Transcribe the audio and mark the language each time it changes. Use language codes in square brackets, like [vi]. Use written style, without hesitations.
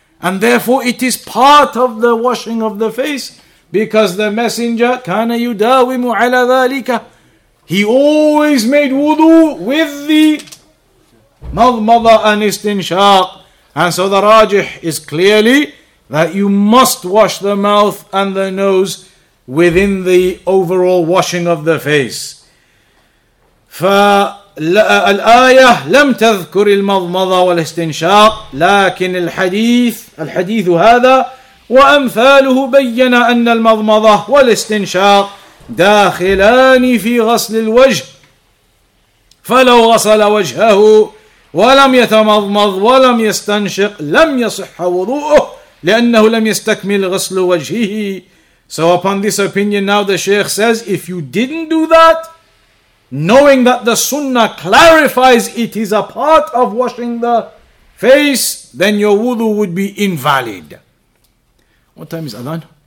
[en] And therefore it is part of the washing of the face, because the messenger, [ar] كان يداوم على ذلك, [en] he always made wudu with the madmada and istinshaq. And so the rajih is clearly that you must wash the mouth and the nose within the overall washing of the face. [ar] فالآيه لم تذكر المضمضة والاستنشاق لكن الحديث هذا وأمثاله بين أن المضمضة والاستنشاق داخلان في غسل الوجه فلو غسل وجهه ولم يتمضمض ولم يستنشق لم يصح وضوءه لأنه لم يستكمل غسل وجهه. [en] So upon this opinion, now the Shaykh says, if you didn't do that, knowing that the Sunnah clarifies it is a part of washing the face, then your wudu would be invalid. What time is Adhan?